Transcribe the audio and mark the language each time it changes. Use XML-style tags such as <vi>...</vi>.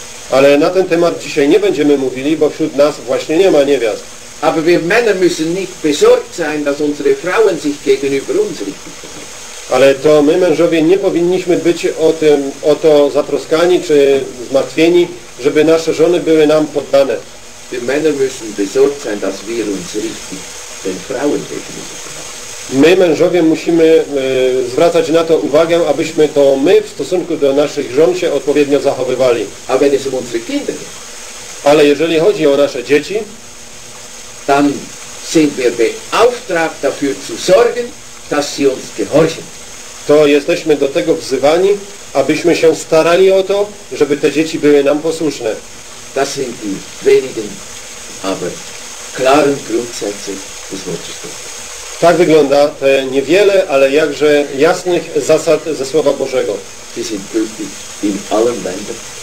<pl>Ale na ten temat dzisiaj nie będziemy mówili, bo wśród nas właśnie nie ma niewiast.</pl> <de>Aber wir Männer müssen nicht besorgt sein, dass unsere Frauen sich gegenüber uns richten.</de> <pl>Ale to my, mężowie, nie powinniśmy być o to zatroskani czy zmartwieni, żeby nasze żony były nam poddane.</pl> <de>Wir Männer müssen besorgt sein, dass wir uns richtig den Frauen gegenüber.</de> <pl>My, mężowie, musimy zwracać na to uwagę, abyśmy to my w stosunku do naszych żon się odpowiednio zachowywali.</pl> <de>A wenn es um unsere Kinder geht.</de> <pl>Ale jeżeli chodzi o nasze dzieci,</pl> <de>dann sind wir beauftragt dafür zu sorgen, dass sie uns gehorchen.</de> <pl>To jesteśmy do tego wzywani, abyśmy się starali o to, żeby te dzieci były nam posłuszne.</pl> <de>Das sind die wenigen, aber klaren Grundsätze des Wortes Gottes.</de> <pl>Tak wygląda te niewiele, ale jakże jasnych zasad ze Słowa Bożego.</pl> <de>Die sind gültig in allen Ländern.</de>